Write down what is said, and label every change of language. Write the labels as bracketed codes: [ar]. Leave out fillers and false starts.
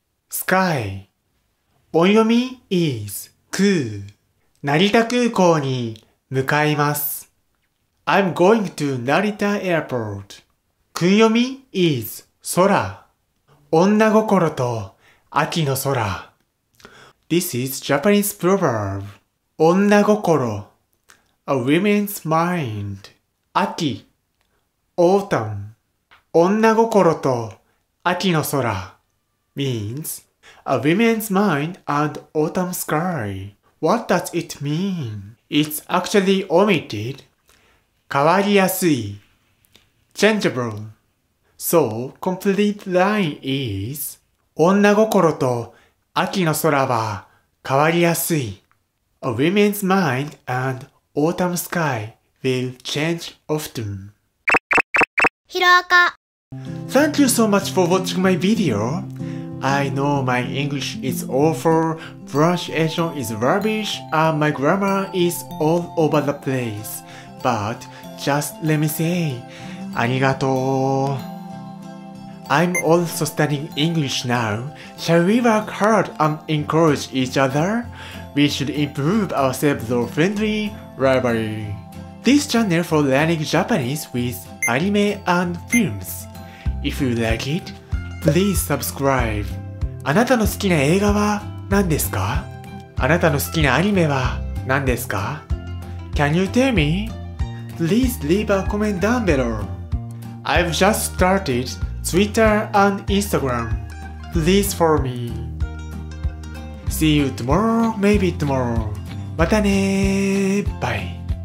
[ja] sky 音読み is くぅ成田空港に向かいます [en] I'm going to Narita Airport [ja] 訓読み is 空女心と秋の空 [en] This is Japanese proverb [ja] 女心 [en] A woman's mind [ja] 秋 autumn 女心と秋の空 [en] means a woman's mind and autumn sky. What does it mean? It's actually omitted. [ja] 変わりやすい [en] changeable. So, complete line is [ja] 女心と秋の空は変わりやすい [en] A woman's mind and autumn sky will change often. [ja] ひろあか [en] Thank you so much for watching my video. I know my English is awful, pronunciation is rubbish, and my grammar is all over the place. But just let me say, arigatou. I'm also studying English now. Shall we work hard and encourage each other? We should improve ourselves through friendly rivalry. This channel for learning Japanese with anime and films. If you like it, please subscribe. [ja] あなたの好きな映画は何ですか？あなたの好きなアニメは何ですか？ [en] Can you tell me? Please leave a comment down below. I've just started Twitter and Instagram. Please follow me. See you tomorrow, maybe tomorrow. [ja] またね、バイ。